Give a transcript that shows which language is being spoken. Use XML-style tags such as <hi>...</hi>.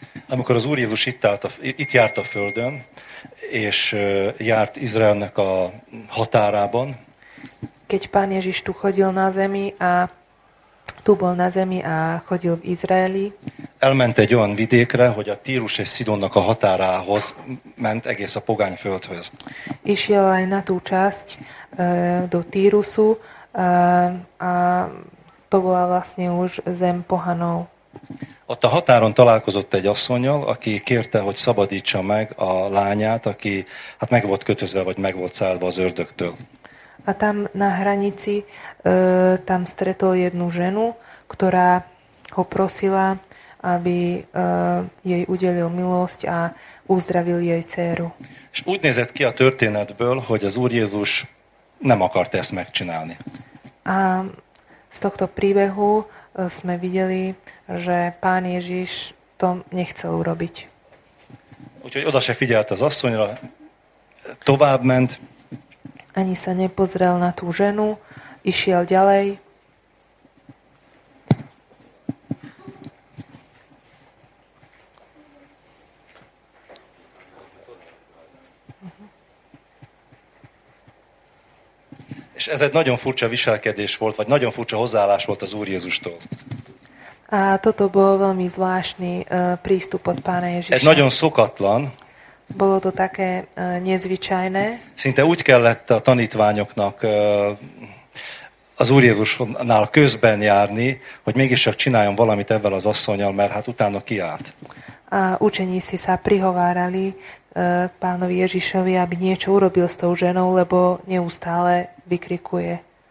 <hu>Amikor az Úr Jézus itt járt a földön, és járt Izraelnek a határában.</hu> <sk>Keď Pán Ježiš tu chodil na zemi a tu bol na zemi a chodil v Izraeli.</sk> <hu>Elment egy olyan vidékre, hogy a Tírus és Szidonnak a határához ment egész a pogány földhöz.</hu> <sk>Išiel aj na tú časť do Tírusu a to bola vlastne už zem pohanov.</sk> <hu>Ott a határon találkozott egy asszonnyal, aki kérte, hogy szabadítsa meg a lányát, aki hát meg volt kötözve, vagy meg volt szállva az ördögtől.</hu> <sk>A tam na hranici tam stretol jednu ženu, ktorá ho prosila, aby jej udelil milosť a uzdravil jej dcéru.</sk> <hu>És úgy nézett ki a történetből, hogy az Úr Jézus nem akart ezt megcsinálni.</hu> <sk>A z tohto príbehu sme videli, že Pán Ježiš to nechcel urobiť.</sk> <hu>Úgyhogy oda se figyelt az asszonyra, tovább ment.</hu> <sk>Ani sa nepozrel na tú ženu, išiel ďalej.</sk> <hu>És ez egy nagyon furcsa viselkedés volt, vagy nagyon furcsa hozzáállás volt az Úr Jézustól.</hu> <sk>A toto bol veľmi zvláštny prístup od Pána Ježiša.</sk> <hu>Egy nagyon szokatlan.</hu> <sk>Bolo to také nezvyčajné.</sk> <hu>Szinte úgy kellett a tanítványoknak az Úr Jézusnál közben járni, hogy mégiscsak csináljon valamit ezzel az asszonnyal, mert hát utána kiállt.</hu> <sk>A učení si sa prihovárali Pánovi Ježišovi, aby niečo urobil s tou ženou, lebo neustále vykrikuje.</sk>